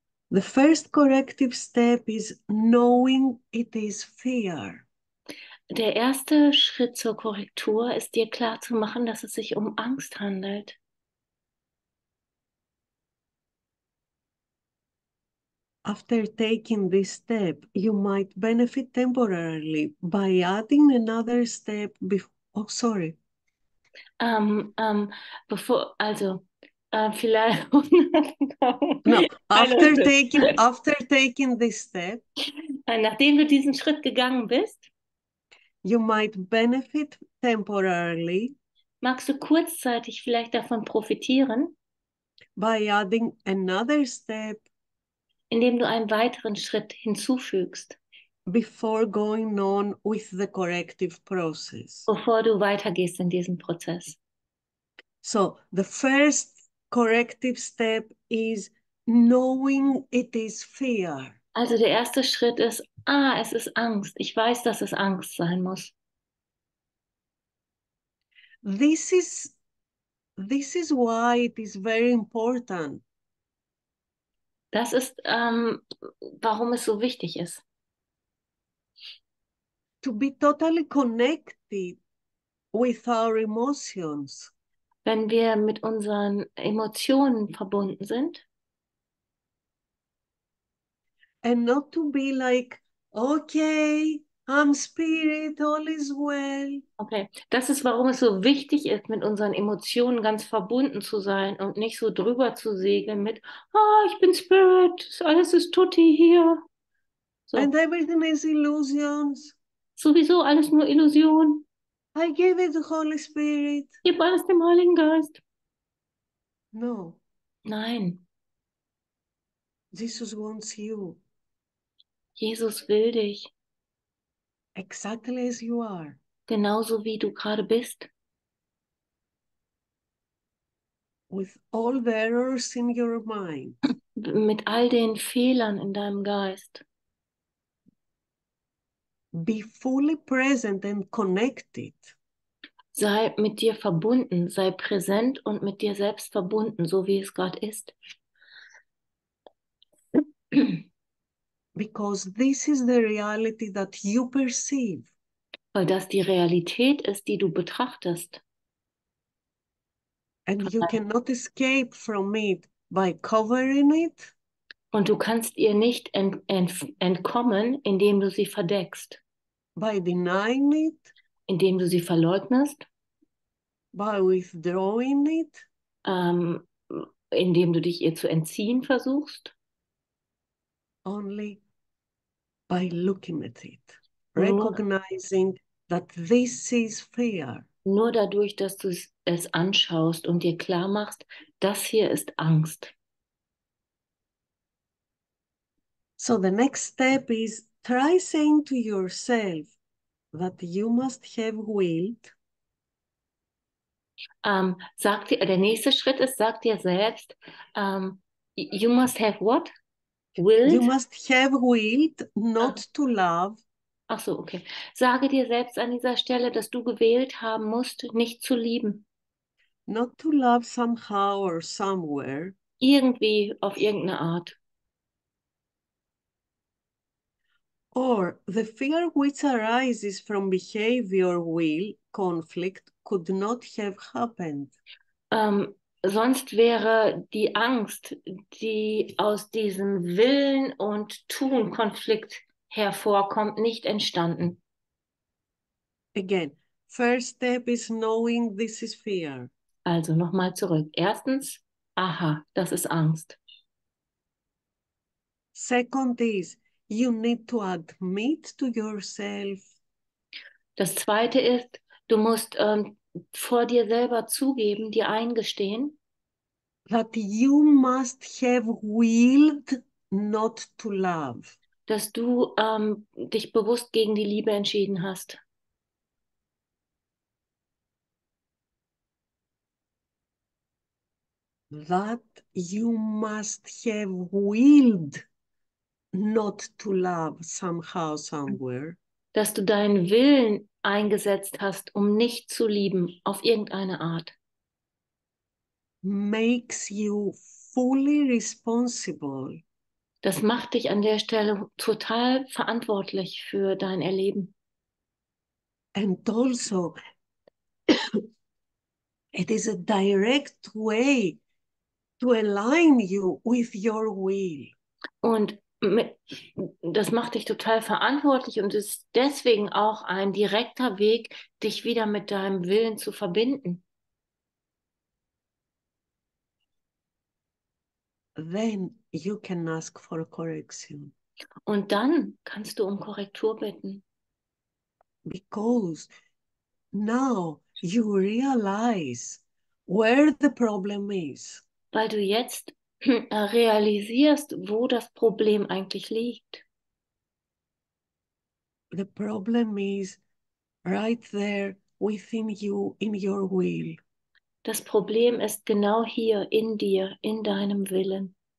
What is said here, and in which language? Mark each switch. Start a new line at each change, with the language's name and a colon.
English: The first corrective step is knowing it is fear.
German: Der erste Schritt zur Korrektur ist, dir klarzumachen, dass es sich um Angst handelt.
English: After taking this step, you might benefit temporarily by adding another step before. Oh, sorry.
German: Vielleicht.
English: No, after taking this step,
German: Nachdem du diesen Schritt gegangen bist,
English: you might benefit temporarily
German: magst du kurzzeitig vielleicht davon profitieren,
English: by adding another step,
German: indem du einen weiteren Schritt hinzufügst,
English: before going on with the corrective process.
German: bevor du weitergehst in diesem Prozess.
English: So, the first corrective step is knowing it is fear.
German: Also der erste Schritt ist, es ist Angst. Ich weiß, dass es Angst sein muss.
English: This is why it is very important.
German: Das ist, warum es so wichtig ist.
English: To be totally connected with our emotions.
German: Wenn wir mit unseren Emotionen verbunden sind.
English: And not to be like, okay, I'm spirit, all is well.
German: Okay, das ist, warum es so wichtig ist, mit unseren Emotionen ganz verbunden zu sein und nicht so drüber zu segeln mit, ich bin Spirit, alles ist Tutti hier.
English: So. And everything is illusions.
German: Sowieso alles nur Illusion.
English: I gave it the Holy Spirit.
German: Gib alles dem Heiligen Geist.
English: No.
German: Nein.
English: Jesus wants you.
German: Jesus will dich.
English: Exactly as you are.
German: Genauso wie du gerade bist.
English: With all the errors in your mind.
German: Mit all den Fehlern in deinem Geist.
English: Be fully present and connected.
German: Sei mit dir verbunden, sei präsent und mit dir selbst verbunden, so wie es gerade ist.
English: Because this is the reality that you perceive.
German: Weil das die Realität ist, die du betrachtest.
English: And you cannot escape from it by covering it.
German: Und du kannst ihr nicht entkommen, indem du sie verdeckst.
English: By denying it.
German: Indem du sie verleugnest.
English: By withdrawing it.
German: Indem du dich ihr zu entziehen versuchst.
English: Only by looking at it, recognizing that this is fear.
German: Nur dadurch, dass du es anschaust und dir klar machst, das hier ist Angst.
English: So the next step is try saying to yourself that you must have willed.
German: Sag dir, der nächste Schritt ist, sag dir selbst,
English: you must have what? Willed? You must have willed not to love.
German: Ach so, okay. Sage dir selbst an dieser Stelle, dass du gewählt haben musst, nicht zu lieben.
English: Not to love somehow or somewhere.
German: Irgendwie, auf irgendeine Art.
English: Or the fear which arises from behavior, will, conflict could not have happened.
German: Sonst wäre die Angst, die aus diesem Willen und Tun-Konflikt hervorkommt, nicht entstanden.
English: Again, first step is knowing this is fear.
German: Also nochmal zurück. Erstens, aha, das ist Angst.
English: Second is, you need to admit to yourself.
German: Das zweite ist, du musst vor dir selber zugeben, dir eingestehen,
English: that you must have willed not to love.
German: Dass du dich bewusst gegen die Liebe entschieden hast.
English: That you must have willed not to love somehow, somewhere.
German: Dass du deinen Willen eingesetzt hast, um nicht zu lieben, auf irgendeine Art.
English: Makes you fully responsible.
German: Das macht dich an der Stelle total verantwortlich für dein Erleben.
English: And also, it is a direct way to align you with your will.
German: Und das macht dich total verantwortlich und ist deswegen auch ein direkter Weg, dich wieder mit deinem Willen zu verbinden.
English: Then you can ask for correction.
German: Und dann kannst du um Korrektur bitten.
English: Because now you realize where the problem is.
German: Weil du jetzt realisierst, wo das Problem eigentlich liegt.
English: The problem is right there within you, in your will.
German: Das Problem ist genau hier in dir, in deinem Willen.